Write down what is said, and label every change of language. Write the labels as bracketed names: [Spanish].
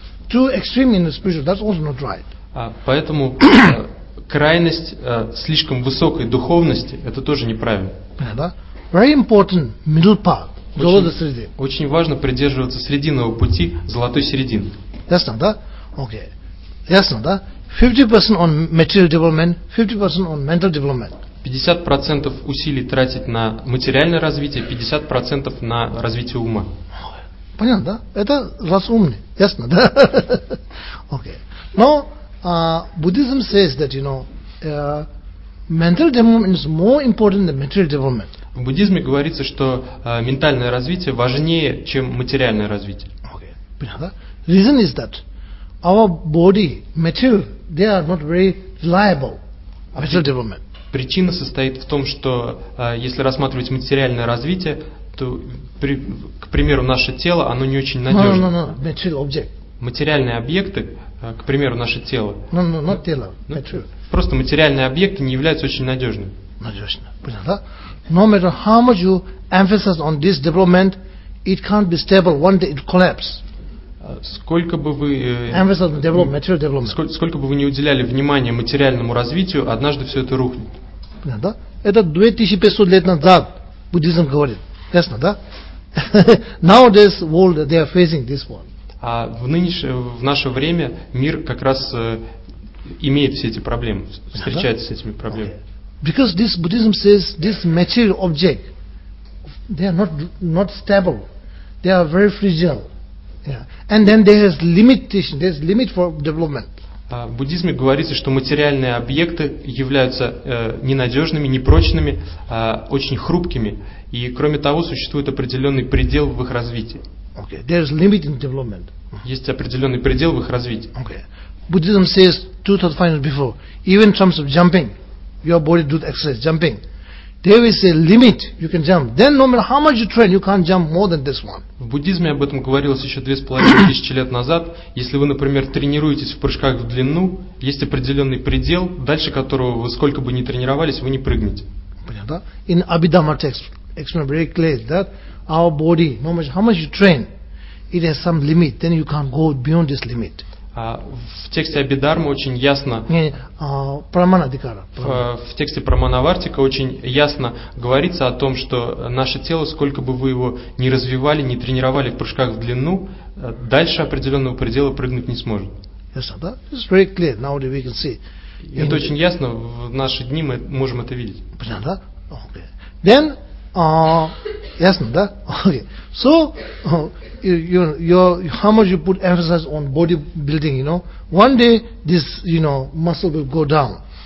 [English] Too extreme in the spiritual, that's also not right. [Russian] Поэтому крайность слишком высокой духовности, это тоже неправильно. Да? [English] Very important middle path. [Russian] Очень важно придерживаться срединного пути, золотой середины. Ясно, да? Окей. Ясно, да? [English] 50% on material development, 50% on mental development. [Russian] 50% усилий тратить на материальное развитие, 50% на развитие ума. Понятно, да? Это разумный. Ясно, да? Окей. Но буддизм [English] says that, you know, mental development is more important than material development. [Russian] В буддизме говорится, что ментальное развитие важнее, чем материальное развитие. [English] Okay. [Russian] Понятно? [English] Reason is that our body, material, they are not very reliable. Material development. [Russian] Причина состоит в том, что если рассматривать материальное развитие, то, к примеру, наше тело, оно не очень надежно. [English] No. Material object. [Russian] Материальные объекты, к примеру, наше тело. [English] Not [Russian] тело, [English] material. [Russian] Просто материальные объекты не являются очень надежными. Надежно. Понятно? [English] No matter how much you emphasize on this development, it can't be stable. One day it collapses. [Russian] Сколько бы вы [English] emphasize on development, material development. [Russian] Сколько бы вы не уделяли внимания материальному развитию, однажды все это рухнет. Понятно, да? Это 2500 лет назад буддизм говорит. Ясно, да? [English] Nowadays world they are facing this one. [Russian] А в наше время мир как раз имеет все эти проблемы, встречается с этими проблемами. [English] Okay. Because this Buddhism says this material object, they are not stable, they are very fragile, yeah. And then there is limitation, there is limit for development. [Russian] В буддизме говорится, что материальные объекты являются ненадежными, непрочными, очень хрупкими, и кроме того существует определенный предел в их развитии. [English] Okay, there is limit in development. [Russian] Есть определенный предел в их развитии. [English] Okay, Buddhism says 2500 before, even in terms of jumping. Your body does exercise, jumping. There is a limit you can jump. Then no matter how much you train, you can't jump more than this one. [Russian] В буддизме об этом говорилось еще 2500 лет назад. Если вы, например, тренируетесь в прыжках в длину, есть определенный предел, дальше которого вы сколько бы ни тренировались, вы не прыгнете. Понятно? [English] In Abhidhamma text, explain very clearly that our body, no matter how much you train, it has some limit. Then you can't go beyond this limit. [Russian] В тексте Абидхармы очень ясно в тексте Прамановартика очень ясно говорится о том, что наше тело, сколько бы вы его ни развивали, ни тренировали в прыжках в длину, дальше определенного предела прыгнуть не сможет. Это очень ясно, в наши дни мы можем это видеть. Понятно, да? [English] Okay. Then, [Russian] ясно, да? Okay. [English] So, how much you put emphasis on body building, you know, one day this, you know, muscle will go down.